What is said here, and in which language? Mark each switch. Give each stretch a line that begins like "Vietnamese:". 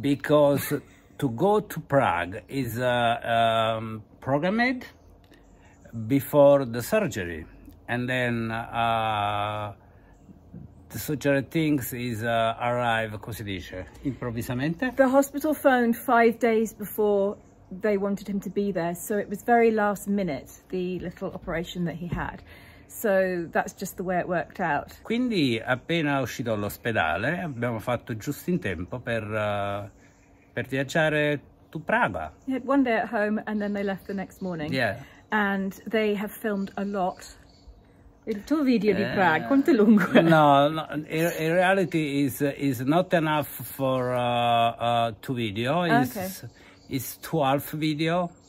English: Because to go to Prague is programmed before the surgery, and then the surgery things is arrive
Italian: così dice, improvvisamente.
English: The hospital phoned 5 days before they wanted him to be there, so it was very last minute, the little operation that he had. So that's just the way it worked out.
Italian: Quindi appena uscito dall'ospedale abbiamo fatto giusto in tempo per viaggiare
English: to Praga. He had one day at home and then they left the next morning. Yeah. And they have filmed a lot.
Italian: Il tuo video di Prague, quanto lungo?
English: No, in reality is not enough for two video. It's, okay. It's 12 video.